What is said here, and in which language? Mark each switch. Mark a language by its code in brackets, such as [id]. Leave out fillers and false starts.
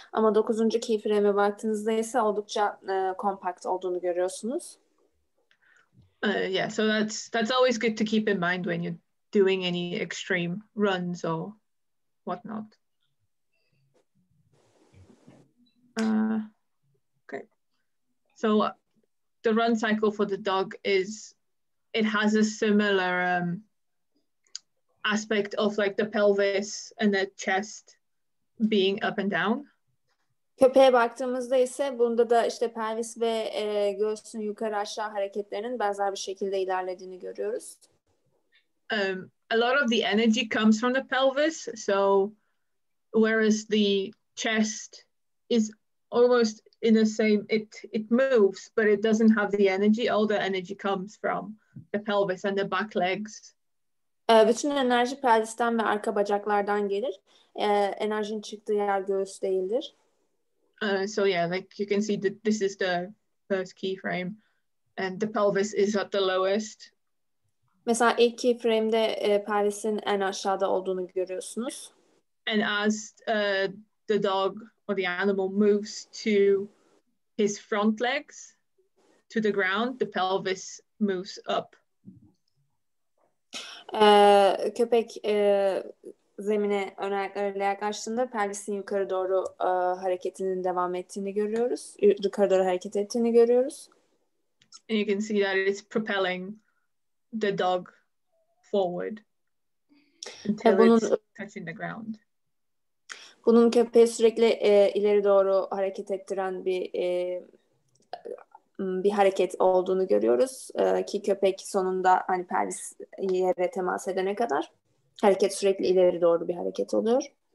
[tr] Ama dokuzuncu keyframe'e baktığınızda ise oldukça compact olduğunu görüyorsunuz. [en] Yeah, so that's always good to keep in mind when you're doing any extreme runs or whatnot. Okay. So the run cycle for the dog is, it has a similar aspect of like the pelvis and the chest being up and down. [tr] Köpeğe baktığımızda ise bunda da işte pelvis ve göğsün yukarı aşağı hareketlerinin benzer bir şekilde ilerlediğini görüyoruz. [en] A lot of the energy comes from the pelvis, so whereas the chest is almost in the same, it moves, but it doesn't have the energy. All the energy comes from the pelvis and the back legs. [tr] Bütün enerji pelvisten ve arka bacaklardan gelir. Enerjinin çıktığı yer göğüs değildir. [en] So yeah, like you can see that this is the first keyframe and the pelvis is at the lowest. [tr] Mesela ilk keyframe'de pelvisin en aşağıda olduğunu görüyorsunuz. [en] And as the dog or the animal moves to his front legs to the ground, the pelvis moves up. [tr] Köpek zemine ön ayaklarıyla yaklaştığında pelvisin yukarı doğru hareketinin devam ettiğini görüyoruz. Yukarı doğru hareket ettiğini görüyoruz. [en] And you can see that it's propelling the dog forward until it's touching the ground. [tr] Bunun köpeği sürekli ileri doğru hareket ettiren bir hareket olduğunu görüyoruz. Ki köpek sonunda hani pelvis yere temas edene kadar hareket sürekli ileri doğru bir hareket oluyor.